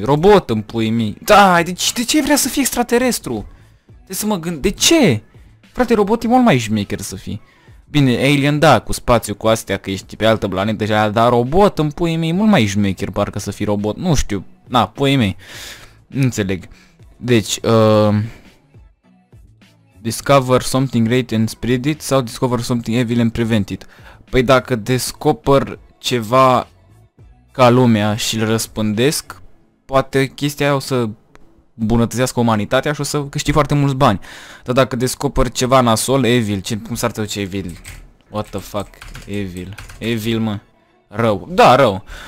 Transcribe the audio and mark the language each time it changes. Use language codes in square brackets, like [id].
[ro] Robot în puii mei. Da, de ce vrea să fie extraterestru? Trebuie să mă gând. De ce? Frate, robot e mult mai șmecher să fii. Bine, alien da, cu spațiu, cu astea, că ești pe altă planetă și aia. Dar robot în puii mei e mult mai șmecher parcă să fii robot. Nu știu. Na, puii mei. Înțeleg. [en] Deci, discover something great and spread it sau discover something evil and prevent it. [ro] Păi dacă descoper ceva ca lumea și îl răspândesc, poate chestia aia o să bunătățească umanitatea și o să câștigi foarte mulți bani. Dar dacă descoperi ceva nasol, evil, ce, cum s-ar trebui ce evil? [en] What the fuck? [ro] Evil. Evil, mă. Rău. Da, rău.